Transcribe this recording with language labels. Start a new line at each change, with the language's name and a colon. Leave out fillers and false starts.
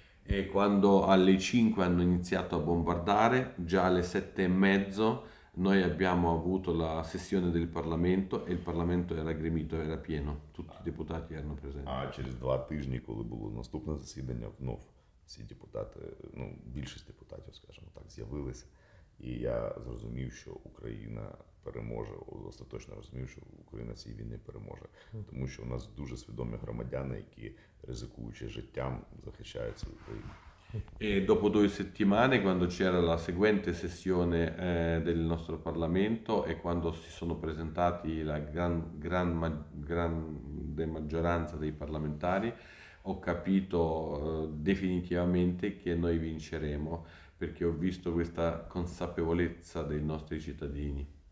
Italian: E quando alle 5 hanno iniziato a bombardare, già alle 7:30 noi abbiamo avuto la sessione del Parlamento e il Parlamento era gremito, era pieno. Tutti i deputati erano presenti.
Ukrainian: А через 2 тижні, коли було наступне засідання, знов всі депутати, більшість депутатів, скажімо так, з'явилися. І я зрозумів, що Україна переможе. Остаточно розумів, що Україна цієї війни переможе. Тому що у нас дуже свідомі громадяни, які, ризикуючи життям, захищають свою країну.
Italian: E dopo due settimane, quando c'era la seguente sessione del nostro Parlamento e quando si sono presentati la grande maggioranza dei parlamentari, ho capito definitivamente che noi vinceremo, perché ho visto questa consapevolezza dei nostri cittadini.